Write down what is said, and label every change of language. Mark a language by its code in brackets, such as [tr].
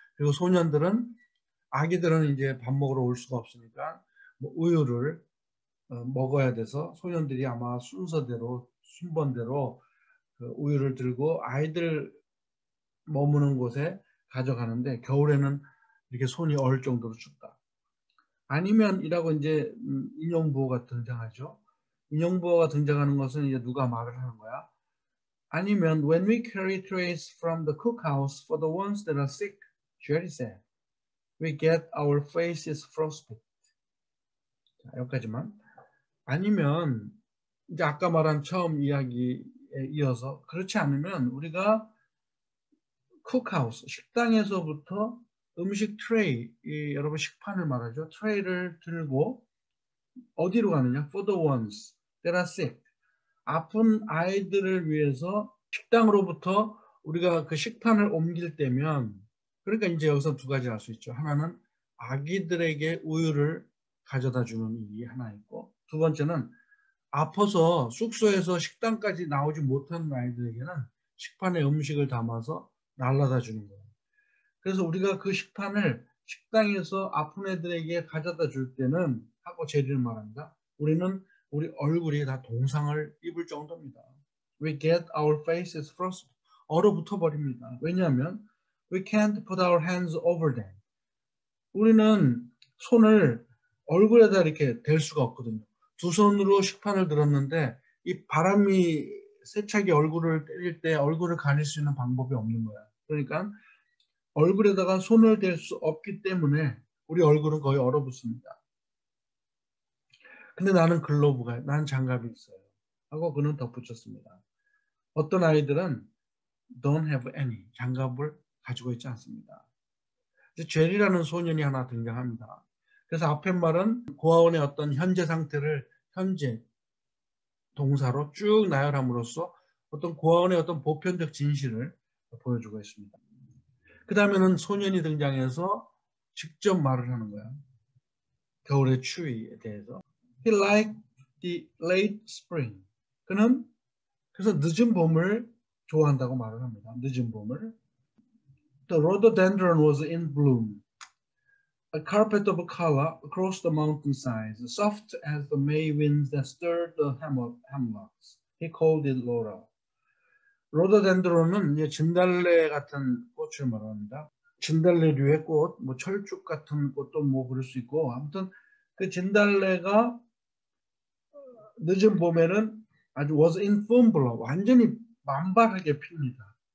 [ko] 그리고 소년들은 아기들은 이제 밥 먹으러 올 수가 없으니까 뭐 우유를 먹어야 돼서 소년들이 아마 순서대로 순번대로 그 우유를 들고 아이들 머무는 곳에 가져가는데 겨울에는 이렇게 손이 얼 정도로 춥다. 아니면이라고 이제 인용부호가 등장하죠. 인용부호가 등장하는 것은 이제 누가 말을 하는 거야? 아니면 [en] when we carry trays from the cookhouse for the ones that are sick, Jerry said, we get our faces frostbite. [ko] 자, 여기까지만. 아니면 이제 아까 말한 처음 이야기에 이어서 그렇지 않으면 우리가 쿡하우스 식당에서부터 음식 트레이 여러분 식판을 말하죠. 트레이를 들고 어디로 가느냐? [en] For the ones that are sick. [ko] 아픈 아이들을 위해서 식당으로부터 우리가 그 식판을 옮길 때면 그러니까 이제 여기서 두 가지 할수 있죠. 하나는 아기들에게 우유를 가져다 주는 일이 하나 있고 두 번째는 아파서 숙소에서 식당까지 나오지 못한 아이들에게는 식판에 음식을 담아서 날라다 주는 거예요. 그래서 우리가 그 식판을 식당에서 아픈 애들에게 가져다 줄 때는 하고 제리를 말합니다. 우리는 우리 얼굴이 다 동상을 입을 정도입니다. [en] We get our faces frost. [ko] 얼어붙어 버립니다. 왜냐하면 [en] We can't put our hands over them. [ko] 우리는 손을 얼굴에다 이렇게 댈 수가 없거든요. 두 손으로 식판을 들었는데 이 바람이 세차게 얼굴을 때릴 때 얼굴을 가릴 수 있는 방법이 없는 거야. 그러니까 얼굴에다가 손을 댈수 없기 때문에 우리 얼굴은 거의 얼어붙습니다. 근데 나는 글러브가, 나는 장갑이 있어요. 하고 그는 덧붙였습니다. 어떤 아이들은 [en] don't have any, [ko] 장갑을 가지고 있지 않습니다. 제리라는 소년이 하나 등장합니다. 그래서 앞에 말은 고아원의 어떤 현재 상태를 현재 동사로 쭉 나열함으로써 어떤 고아원의 어떤 보편적 진실을 보여주고 있습니다. 그 다음에는 소년이 등장해서 직접 말을 하는 거야. 겨울의 추위에 대해서. [en] He liked the late spring. [ko] 그는 그래서 늦은 봄을 좋아한다고 말을 합니다. 늦은 봄을. [en] The rhododendron was in bloom, a carpet of color across the mountainside, soft as the May winds that stirred the hemlocks. He called it Laura. [ko] 로더덴드론은 진달래 같은 꽃을 말합니다. 진달래류의 꽃, 뭐 철쭉 같은 꽃도 뭐 그럴 수 있고, 아무튼 그 진달래가 늦은 봄에는 아주 [en] was in full bloom, [ko] 완전히 만발하게 핍니다.